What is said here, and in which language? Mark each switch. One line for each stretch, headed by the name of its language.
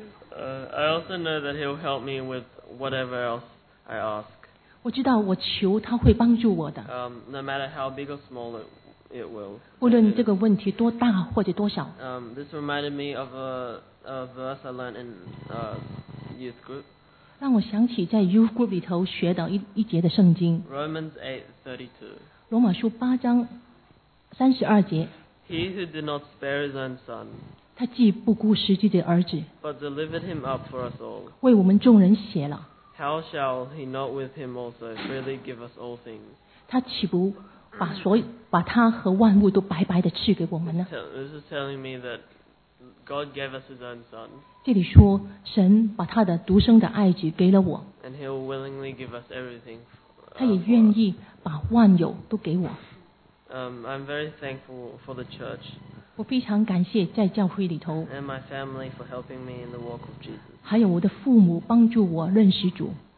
English: I also know that he'll help me with whatever else I ask.
Chinese: 我知道我求他会帮助我的。
English: No matter how big or small it will.
Chinese: 无论这个问题多大或者多小。
English: This reminded me of a verse I learned in youth group.
Chinese: 让我想起在 youth group 里头学的一节的圣经。
English: Romans 8:32.
Chinese: 罗马书八章三十二节。
English: He who did not spare his own son.
Chinese: 他既不顾实际的儿子
English: but delivered him up for us all.
Chinese: 为我们众人写了
English: How shall he not with him also freely give us all things?
Chinese: 他岂不把他和万物都白白的赐给我们呢
English: This is telling me that God gave us his own son.
Chinese: 这里说神把他的独生的爱子给了我
English: And he will willingly give us everything.
Chinese: 他也愿意把万有都给我
English: I'm very thankful for the church.
Chinese: 我非常感谢在教会里头
English: and my family for helping me in the walk of Jesus.
Chinese: 还有我的父母帮助我认识主